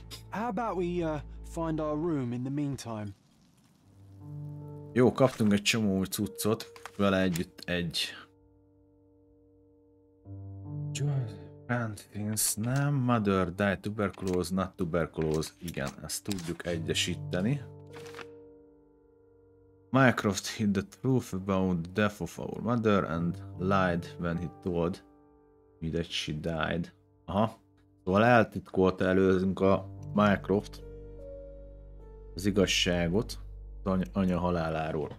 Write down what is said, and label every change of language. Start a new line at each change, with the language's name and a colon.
English: How about we find our room in the meantime?
Hungarian: Jó, kaptunk egy csomó új cuccot. Vele együtt egy... Nem,
English: mother died tuberculosis, not tuberculosis.
Hungarian: Igen, ezt tudjuk egyesíteni.
English: Mycroft hid the truth about the death of our mother and lied when he told me that she died. Aha.
Hungarian: Szóval eltitkolta előzünk a Mycroft az igazságot az anya haláláról.